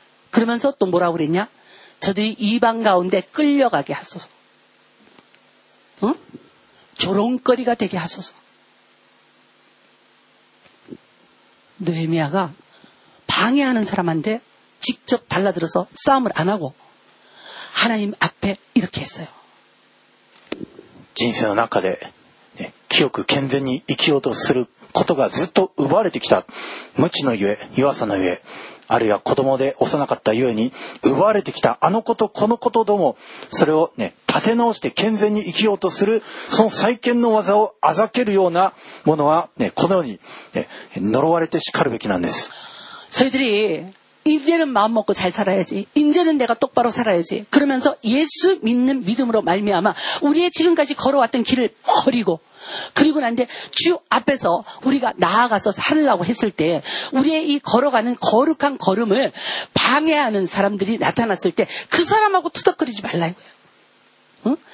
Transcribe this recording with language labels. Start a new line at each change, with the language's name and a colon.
Korean: 그러면서 또 뭐라고 그랬냐? 저들이 이방 가운데 끌려가게 하소서. 응? 조롱거리가 되게 하소서. 느헤미야가 방해하는 사람한테 직접 달라들어서 싸움을 안 하고 하나님 앞에 이렇게 했어요. 인생의
Japanese: 中で 清く健全に生きようとすることがずっと奪われてきた無知のゆえ弱さのゆえあるいは子供で幼かったゆえに奪われてきたあのことこのことどもそれをね立て直して健全に生きようとするその再建の技を預けるようなものはねこのように呪われてしかるべきなんです。
Korean: 저희들이 이제는 마음먹고 잘 살아야지. 이제는 내가 똑바로 살아야지. 그러면서 예수 믿는 믿음으로 말미암아 우리의 지금까지 걸어왔던 길을 버리고 그리고 난 뒤 주 앞에서 우리가 나아가서 살라고 했을 때 우리의 이 걸어가는 거룩한 걸음을 방해하는 사람들이 나타났을 때 그 사람하고 투닥거리지 말라고요. 응?